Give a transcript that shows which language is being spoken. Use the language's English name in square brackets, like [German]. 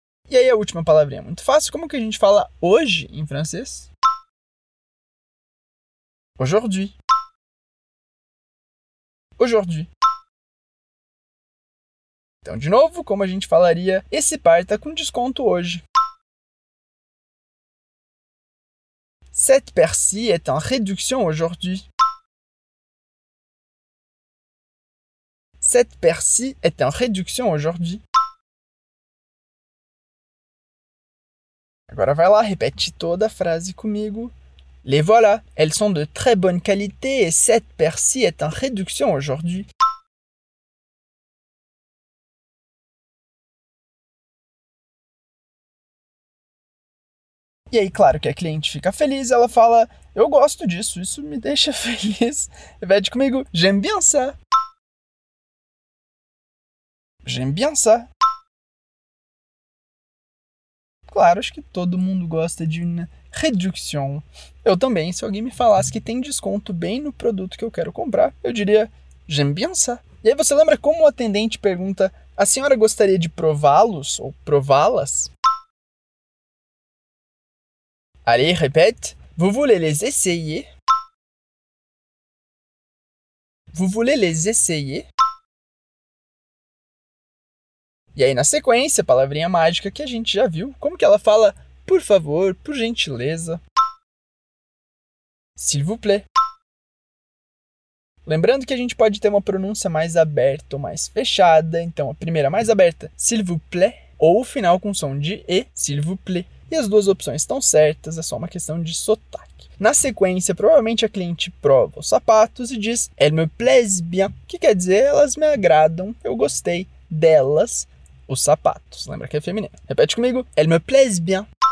[Portuguese] E aí a última palavrinha, muito fácil. Como que a gente fala hoje em francês? [French] Aujourd'hui. Aujourd'hui. [Portuguese] Então, de novo, como a gente falaria, esse par está com desconto hoje. [French] Cette paire-ci est en réduction aujourd'hui. Cette paire-ci est en réduction aujourd'hui. [Portuguese] Agora vai lá, repete toda a frase comigo. [French] Les voilà, elles sont de très bonne qualité et cette paire-ci est en réduction aujourd'hui. [Portuguese] E aí, claro que a cliente fica feliz, ela fala, eu gosto disso, isso me deixa feliz. Repete comigo, [French] j'aime bien ça. J'aime bien ça. [Portuguese] Claro, acho que todo mundo gosta de [French] une réduction. [Portuguese] Eu também, se alguém me falasse que tem desconto bem no produto que eu quero comprar, eu diria, [French] j'aime bien ça. [Portuguese] E aí você lembra como o atendente pergunta, a senhora gostaria de prová-los ou prová-las? [French] Allez, répète. Vous voulez les essayer? Vous voulez les essayer? [Portuguese] E aí, na sequência, a palavrinha mágica que a gente já viu. Como que ela fala? Por favor, por gentileza. [French] S'il vous plaît. [Portuguese] Lembrando que a gente pode ter uma pronúncia mais aberta ou mais fechada. Então, a primeira mais aberta, [French] s'il vous plaît. [Portuguese] Ou o final com som de E, [French] s'il vous plaît. [Portuguese] E as duas opções estão certas, é só uma questão de sotaque. Na sequência, provavelmente a cliente prova os sapatos e diz [French] elle me plaise bien, [Portuguese] que quer dizer elas me agradam, eu gostei delas, os sapatos. Lembra que é feminino. Repete comigo. [French] Elle me plaise bien.